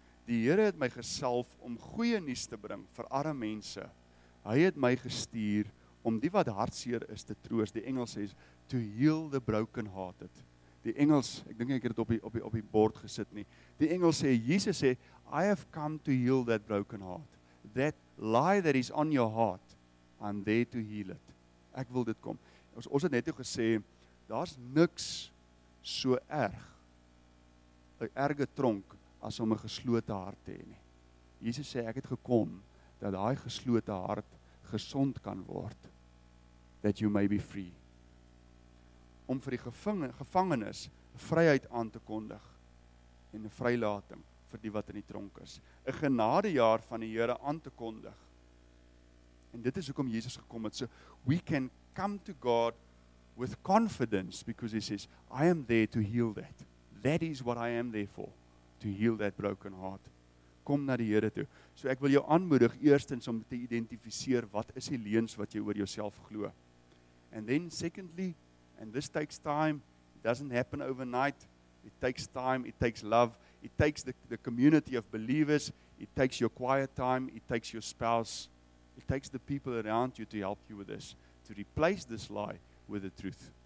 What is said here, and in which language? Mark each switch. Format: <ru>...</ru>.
<af>Die Here het my gesalf om goeie nuus te bring vir arme mense. Hy het my gestuur om die wat hartseer is te troos. Die Engels sê,</af> <en>to heal the brokenhearted.</en> <af>Die Engels, ek dink ek het dit op die bord gesit nie. Die Engels sê, Jesus sê,</af> <en>I have come to heal that broken heart. That lie that is on your heart, I'm there to heal it.</en> <af>Ek wil dit kom. Ons het net toe gesê, daar's niks so erg, 'n erge tronk, as om 'n geslote hart te hê nie. Jesus sê, ek het gekom, dat daai geslote hart gesond kan word.</af> <en>That you may be free.</en> <af>Om vir die gevangenes vryheid aan te kondig en 'n vrylating vir die wat in die tronk is. 'N genadejaar van die Here aan te kondig. En dit is hoekom Jesus gekom het.</af> <en>So we can come to God with confidence because he says, I am there to heal that. That is what I am there for, to heal that broken heart.</en> <af>Kom na die Here toe. So ek wil jou aanmoedig eerstens om te identifiseer wat is die leuns wat jy oor jouself glo.</af> <en>And then secondly, and this takes time, it doesn't happen overnight, it takes time, it takes love, it takes the community of believers, it takes your quiet time, it takes your spouse, it takes the people around you to help you with this, to replace this lie with the truth.</en>